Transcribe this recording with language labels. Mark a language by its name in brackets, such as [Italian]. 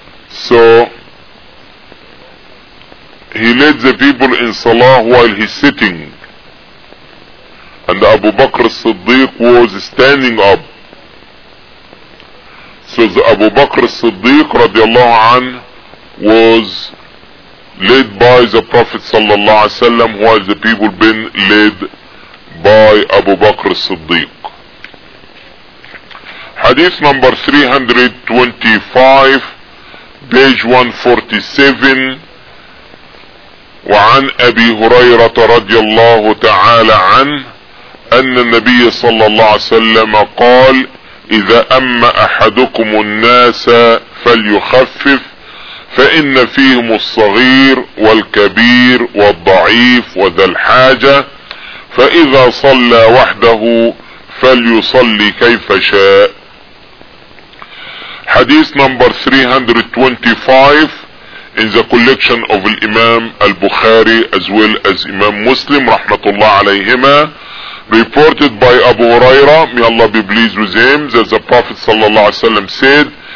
[English] So he led the people in salah while he's sitting, and Abu Bakr as-Siddiq was standing up. So the Abu Bakr as-Siddiq radiallahu anhu was led by the Prophet sallallahu alaihi wasallam while the people been led by Abu Bakr as-Siddiq. Hadith number 325 page 147 [Arabic] وعن أبي هريرة رضي الله تعالى عنه أن النبي صلى الله عليه وسلم قال إذا أم أحدكم الناس فليخفف فإن فيهم الصغير والكبير والضعيف وذا الحاجة فإذا صلى وحده فليصلي كيف شاء. [English] Hadith number 325 in the collection of Imam al-Bukhari as well as Imam Muslim rahmatullah alayhima, reported by Abu Huraira, may Allah be pleased with him, that the Prophet sallallahu alayhi wa sallam said